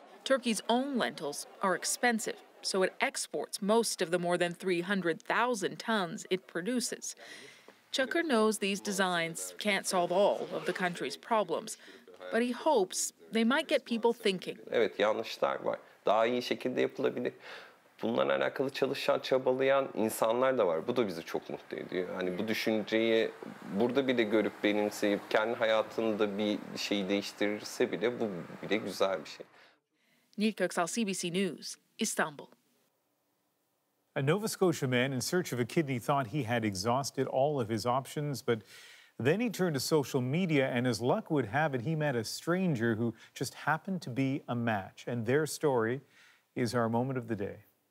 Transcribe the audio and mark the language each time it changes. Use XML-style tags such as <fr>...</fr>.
<en>Turkey's own lentils are expensive, so it exports most of the more than 300,000 tons it produces. Çakır knows these designs can't solve all of the country's problems, but he hopes they might get people thinking.</en> <tr>Evet, yanlışlar var. daha iyi şekilde yapılabilir. Bununla alakalı çalışan, çabalayan insanlar da var. Bu da bizi çok mutlu ediyor. Hani bu düşünceyi burada bile görüp benimseyip kendi hayatında bir şeyi değiştirirse bile bu bile güzel bir şey.</tr> <en>Neil Köksal, CBC News, İstanbul. A Nova Scotia man in search of a kidney thought he had exhausted all of his options, but then he turned to social media, and as luck would have it, he met a stranger who just happened to be a match. And their story is our moment of the day.</en>